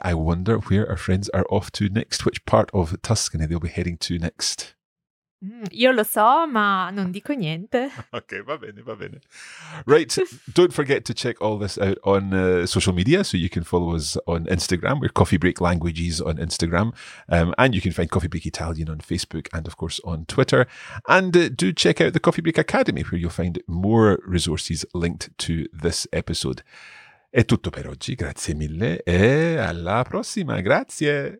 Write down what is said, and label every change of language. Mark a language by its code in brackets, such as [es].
[en] I wonder where our friends are off to next. Which part of Tuscany they'll be heading to next? [it] Io lo so, ma non dico niente. Ok, va bene, va bene. [en] Right, don't forget to check all this out on social media, so you can follow us on Instagram. We're Coffee Break Languages on Instagram. And you can find Coffee Break Italian on Facebook and, of course, on Twitter. And do check out the Coffee Break Academy, where you'll find more resources linked to this episode. [it] È tutto per oggi, grazie mille e alla prossima, grazie!